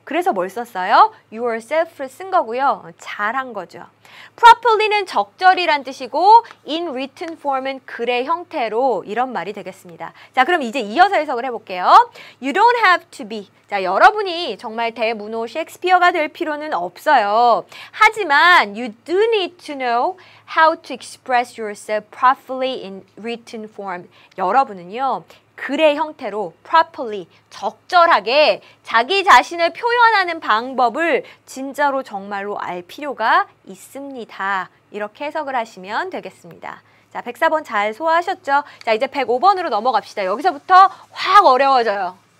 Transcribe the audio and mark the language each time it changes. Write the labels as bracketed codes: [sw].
[ko] 그래서 뭘 썼어요? yourself를 쓴 거고요. 잘한 거죠. properly는 적절이란 뜻이고 in written form은 글의 형태로 이런 말이 되겠습니다. 자, 그럼 이제 이어서 해석을 해볼게요. [en] You don't have to be. [ko] 자, 여러분이 정말 대문호 셰익스피어가 될 필요는 없어요. 하지만 [en] you do need to know how to express yourself properly in written form. [ko] 여러분은요. 글의 형태로 properly, 적절하게 자기 자신을 표현하는 방법을 진짜로 정말로 알 필요가 있습니다. 이렇게 해석을 하시면 되겠습니다. 자, 104번 잘 소화하셨죠? 자, 이제 105번으로 넘어갑시다. 여기서부터 확 어려워져요.